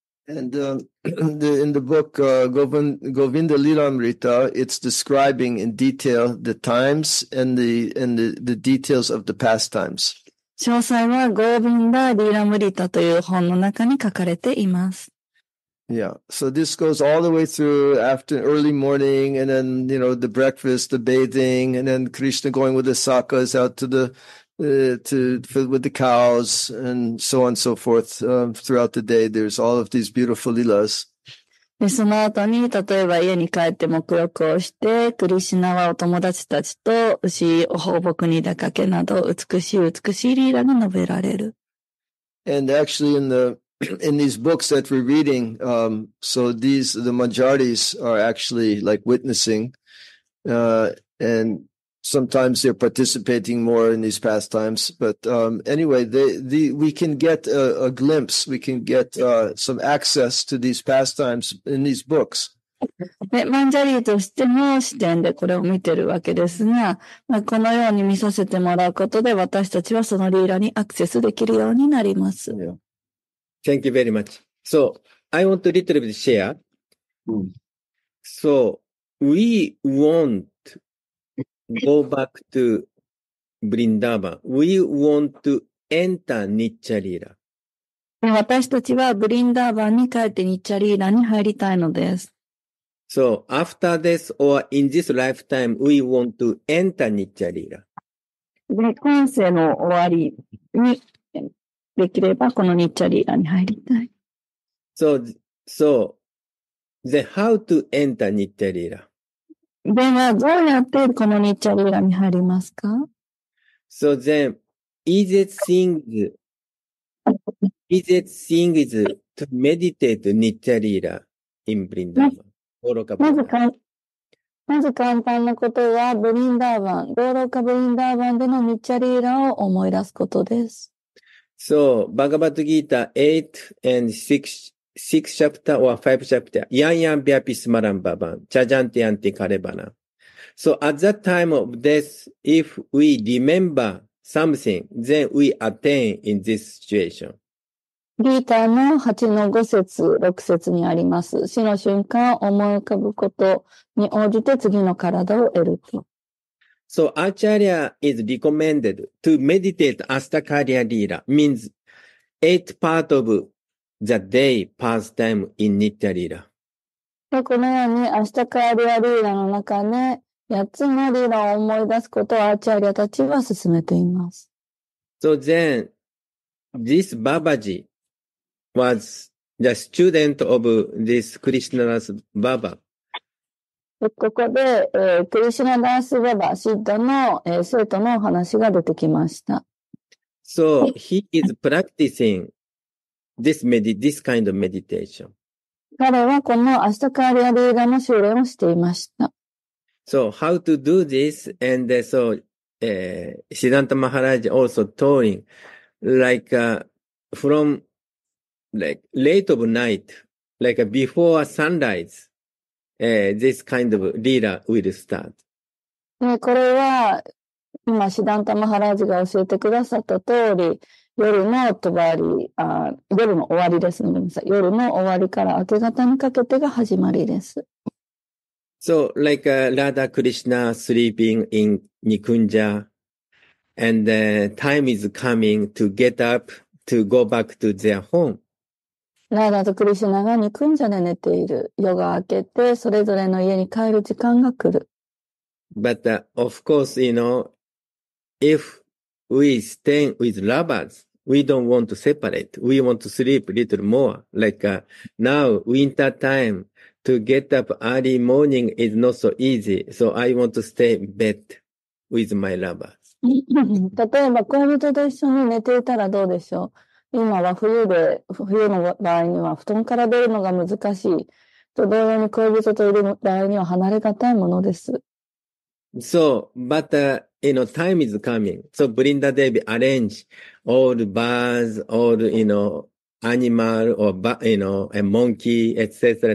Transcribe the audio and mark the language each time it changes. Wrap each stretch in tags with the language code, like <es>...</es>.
<en>And, in the book, Govinda Lilamrita, it's describing in detail the times and the details of the pastimes.</en> <ja>詳細は、Govinda Lilamrita という本の中に書かれています。</ja> <en>Yeah, so this goes all the way through after early morning and then, you know, the breakfast, the bathing, and then Krishna going with the sakas out to the, with the cows and so on and so forth. Throughout the day, there's all of these beautiful lilas.</en> <ja>で、その後に、例えば家に帰って沐浴をして、クリシナはお友達たちと牛を放牧に出かけなど、美しいリーラが述べられる。</ja> <en>And actually in these books that we're reading, so these, the Manjaris are actually like witnessing, and sometimes they're participating more in these pastimes. But, anyway, we can get a glimpse. We can get, some access to these pastimes in these books.</en> <ja>で、マンジャリーとしての視点でこれを見てるわけですが、まあ、このように見させてもらうことで私たちはそのリーラにアクセスできるようになります。</ja> <en>Yeah. Thank you very much. So, I want to little bit share.、So, we won't go back to Vrindavan. We want to enter Nitya-lila.</en> <ja>私たちは Vrindavan に帰って Nitya-lila に入りたいのです。</ja> <en>So, after this or in this lifetime, we want to enter Nitya-lila.</en> <ja>今世の終わりに、できればこのニッチャリーラに入りたい。</ja> <en>So, then how to enter ニッチャリーラ？</en> <ja>ではどうやってこのニッチャリーラに入りますか</ja> <en>？So then, easiest thing is to meditate ニッチャリーラ in Vrindavan.</en> <ja>まず簡単なことはブリンダーバン、ゴーロカブリンダーバンでのニッチャリーラを思い出すことです。</ja> <en>So, Bhagavad Gita 8 and 6 chapter or 5 chapter,</en> <sa>Yanyan Vyapi Smaran Bhavan, Chajanti Anti Karebana.</sa> <en>So, at that time of death, if we remember something, then we attain in this situation.</en> <ja>Gita の 8-5 節、6節にあります。死の瞬間を思い浮かぶことに応じて次の体を得ると。</ja> <en>So Acharya is recommended to meditate Astakarya Leela means 8 part of the day pastime in Nitya Leela.</en> <ja>このように Astakarya Leela の中で8つのリーラを思い出すことをアチャリアたちは進めています。</ja> <en>So then, this Babaji was the student of this Krishnadas Baba.</en> <ja>ここで、クリシナダースババシッダの、生徒のお話が出てきました。</ja> <en>So, he is practicing this kind of meditation.</en> <ja>彼はこのアシタカーリアリーダの修練をしていました。</ja> <en>So, how to do this? And so, Siddhanta Maharaj also telling, like, from, like, late of night, like, before sunrise,this kind of leela will start.</en> <ja>で、これは、今、シダンタマハラジが教えてくださった通り、夜の終わり、夜の終わりですね。夜の終わりから明け方にかけてが始まりです。</ja> <en>So, like, Radha Krishna sleeping in Nikunja, and time is coming to get up to go back to their home.</en> <ja>ラーダとクリシュナがニクンジャで寝ている。夜が明けて、それぞれの家に帰る時間が来る。</ja> <en>But, of course, you know, if we stay with lovers, we don't want to separate. We want to sleep a little more. Like, now, winter time, to get up early morning is not so easy. So I want to stay in bed with my lovers.</en> <ja>例えば、恋人と一緒に寝ていたらどうでしょう？今は冬で、冬の場合には布団から出るのが難しい。と同様に恋人といる場合には離れがたいものです。</ja> <en>So, but, you know, time is coming. So, Brinda Devi arrange all birds, all, you know, animal, or, you know, a monkey, etc.</en>